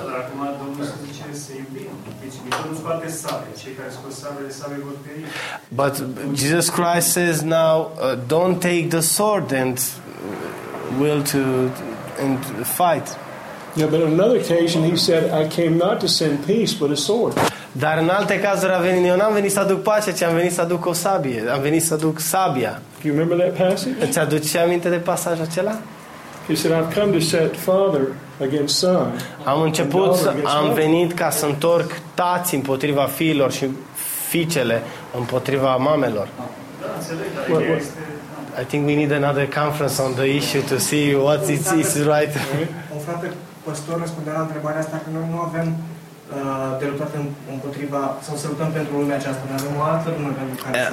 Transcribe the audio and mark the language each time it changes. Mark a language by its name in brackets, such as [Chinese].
[Romanian] Dar acum Domnul se zice să iubim. Deci Dumnezeu scoate sabie. Cei care scoate sabie, sabie vor pieri. [English] But Jesus Christ says now, don't take the sword and will to and fight. Yeah, but on another occasion he said, I came not to send peace, but a sword. [Romanian] Dar în alte cazuri a venit, eu n-am venit să aduc pace, ci am venit să aduc o sabie. Am venit să aduc sabia. [English] Do you remember that passage? [Romanian] Îți aduci aminte de pasajul acela? [English] He said, I've come to set father against son. [Romanian] Am început, am venit ca să întorc tații împotriva fiilor și fiicele împotriva mamelor. Da, înțeleg, dar [English] I think we need another conference on the issue to see what is right. [Romanian] Un frate pastor răspundea la întrebarea asta că noi nu avem de luptat împotriva sau să luptăm pentru lumea aceasta, noi avem o altă lume pentru care.